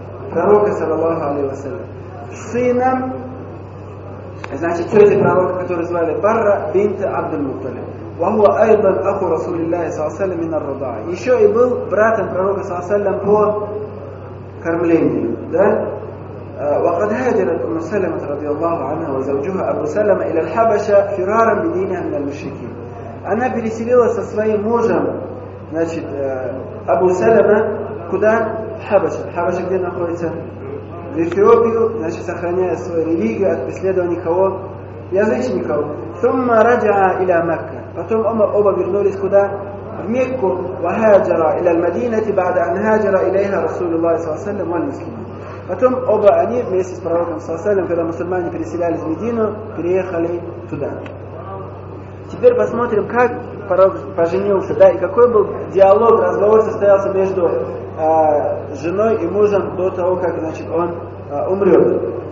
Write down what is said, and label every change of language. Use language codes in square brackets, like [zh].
[ru] Пророка, саллаллаху алейхи ва саллям. Сыном, значит, тети пророка, который звали Барра, бинт Абдул-Муттали. [ar] وَهُوَ أَيْضًا أَخُ رَسُولِ اللَّهِ صَلَّى اللَّهُ عَلَيْهِ مِنَ الرَّضَاعِ. [ru] Еще и был братом пророка, саллаллаху алейхи ва саллям, по кормлению, да? [ar] وقد هاجرت أم سلمة رضي الله عنها وزوجها أبو سلمة إلى الحبشة فرارا بدينها من المشركين. [ru] Она переселилась со своим мужем, значит, Абу Салама, куда? Хабаша. Хабаша где находится? В Эфиопию, значит, сохраняя свою религию от преследования кого? Язычников. [ar] ثم رجع إلى مكة. [ru] Потом оба вернулись куда? В Мекку. [ar] وهاجر إلى المدينة بعد أن هاجر إليها رسول الله صلى الله عليه وسلم والمسلمين. [ru] Потом оба они вместе с пророком Сасалем, когда мусульмане переселялись в Медину, переехали туда. Теперь посмотрим, как пророк поженился, да, и какой был диалог, разговор состоялся между женой и мужем до того, как, значит, он умрет.